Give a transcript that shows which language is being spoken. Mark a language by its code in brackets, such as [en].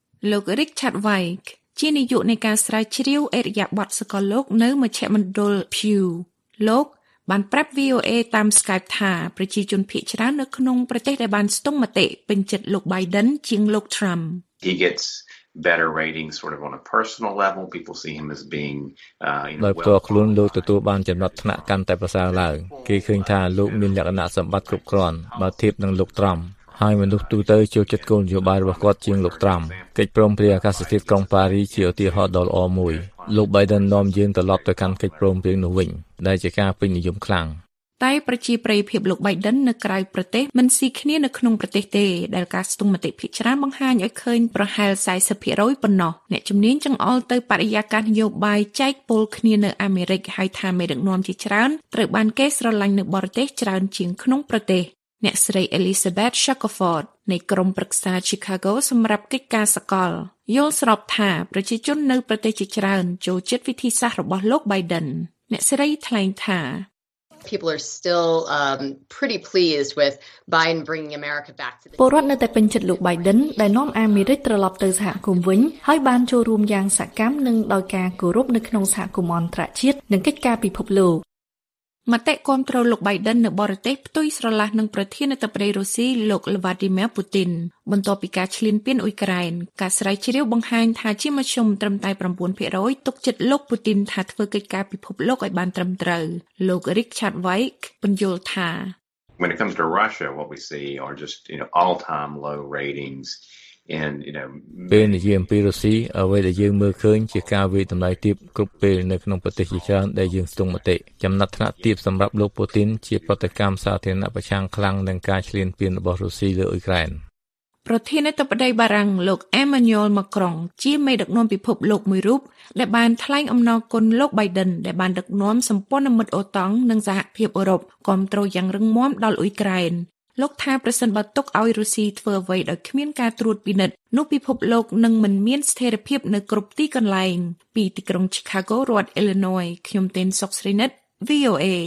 [km] លោក Richard Wyke ជានាយកនៃការស្រាវជ្រាវអេរយាប័តសកលលោកនៅមជ្ឈមណ្ឌល Pew លោកបានប្រាប់ VOA តាម Skype ថាប្រជាជនភាគច្រើននៅក្នុងប្រទេសដែលបានស្ទង់មតិពេញចិត្តលោក Biden ជាងលោក Trump [en] He gets... better rating sort of on a personal level people see him as being you know well [km] ខ្លួនលោកទទួលបានចំណាត់ថ្នាក់កាន់តែប្រសើរឡើងគេឃើញថាលោកមានលក្ខណៈសម្បត្តិគ្រប់គ្រាន់បើធៀបនឹងលោកត្រាំហើយមនុស្សទូទៅចូលចិត្តគោលនយោបាយរបស់គាត់ជាងលោកត្រាំកិច្ចព្រមព្រៀងអាកាសធាតុក្រុងប៉ារីជាឧទាហរណ៍ដ៏ល្អមួយលោក Biden នាំយើងត្រឡប់ទៅកាន់កិច្ចព្រមព្រៀងនោះវិញដែលជាការពេញនិយមខ្លាំង តែប្រជាប្រិយភាពលោក Biden នៅក្រៅប្រទេសមិនស៊ីគ្នានៅក្នុងប្រទេសទេដែលការស្ទង់មតិភាគច្រើនបង្ហាញឲ្យឃើញប្រហែល 40% ប៉ុណ្ណោះអ្នកជំនាញចង្អុលទៅបរិយាកាសនយោបាយចែកពលគ្នានៅអាមេរិកហើយថាមេដឹកនាំជាច្រើនត្រូវបានគេស្រឡាញ់នៅបរទេសច្រើនជាងក្នុងប្រទេសអ្នកស្រី Elizabeth Shackelford នៃក្រុមប្រឹក្សា Chicago សម្រាប់កិច្ចការសកលយល់ស្របថាប្រជាជននៅប្រទេសជាច្រើនចូលចិត្តវិធីសាស្ត្ររបស់លោក Biden អ្នកស្រីថ្លែងថា [en] People are still pretty pleased with Biden bringing America back to the [km] ពលរដ្ឋនៅតែពេញចិត្តលោក Biden ដែលនាំអាមេរិកត្រឡប់ទៅសហគមន៍វិញហើយបានចូលរួមយ៉ាងសកម្មនិងដោយការគោរពនៅក្នុងសហគមន៍អន្តរជាតិនិងកិច្ចការពិភពលោក មតិគាំទ្រលោក Biden នៅបរទេសផ្ទុយស្រឡះនឹងប្រធានាធិបតីរុស្ស៊ីលោក Vladimir Putin បន្ទាប់ពីការឈ្លានពានអ៊ុយក្រែនការស្រាវជ្រាវបង្ហាញថាជាមធ្យមត្រឹមតែ 9% ទុកចិត្តលោក Putin ថាធ្វើកិច្ចការពិភពលោកឲ្យបានត្រឹមត្រូវលោក Richard Wyke ពន្យល់ថា [en] When it comes to Russia what we see are just you know all-time low ratings and you know [km] ពេលនិយាយអំពីរុស្ស៊ីអ្វីដែលយើងមើលឃើញជាការវាយតម្លៃទាបគ្រប់ពេលនៅក្នុងប្រទេសជាច្រើនដែលយើងស្ទង់មតិចំណាត់ថ្នាក់ទាបសម្រាប់លោកពូទីនជាប្រតិកម្មសាធារណៈប្រឆាំងខ្លាំងនឹងការឈ្លានពានរបស់រុស្ស៊ីលើអ៊ុយក្រែន ប្រធានាធិបតីបារាំងលោក Emmanuel Macron ជាមេដឹកនាំពិភពលោកមួយរូបដែលបានថ្លែងអំណរគុណលោក Biden ដែលបានដឹកនាំសម្ព័ន្ធមិត្តអូតង់និងសហភាពអឺរ៉ុបគាំទ្រយ៉ាងរឹងមាំដល់អ៊ុយក្រែនលោកថាប្រសិនបើទុកឲ្យរុស្ស៊ីធ្វើអ្វីដោយគ្មានការត្រួតពិនិត្យនោះពិភពលោកនឹងមិនមានស្ថិរភាពនៅគ្រប់ទីកន្លែងពីទីក្រុង Chicago រដ្ឋ Illinois ខ្ញុំទីនសុកស្រីនិត VOA